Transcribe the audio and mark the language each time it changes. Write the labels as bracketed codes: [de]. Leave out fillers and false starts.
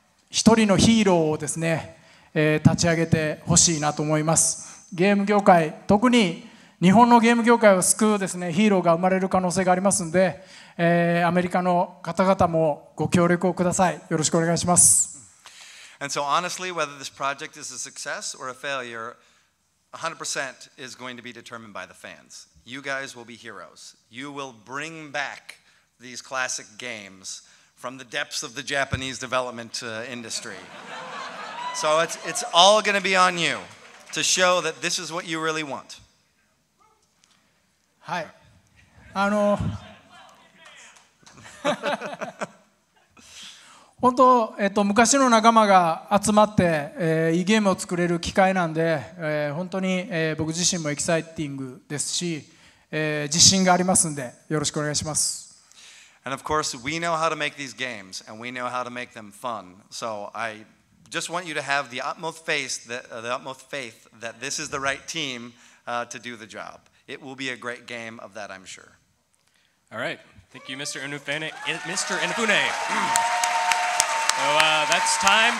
[ja] 一人のヒーローをですね、立ち上げてほしいなと思いますゲーム業界特に日本のゲーム業界を救うですね、ヒーローが生まれる可能性がありますのでアメリカの方々もご協力をください。よろしくお願いします。 [en] And so honestly, whether this project is a success or a failure, 100% is going to be determined by the fans. You guys will be heroes. You will bring back these classic games from the depths of the Japanese development industry. So it's all going to be on you to show that this is what you really want. [ja] はい。本当、昔の仲間が集まって、いいゲームを作れる機会なんで、本当に、僕自身もエキサイティングですし、自信がありますんでよろしくお願いします。 [en] And of course, we know how to make these games, and we know how to make them fun. So I just want you to have the utmost faith that this is the right team, to do the job. It will be a great game of that, I'm sure. All right. Thank you, Mr. Inufune. Mr. Inufune. So that's time.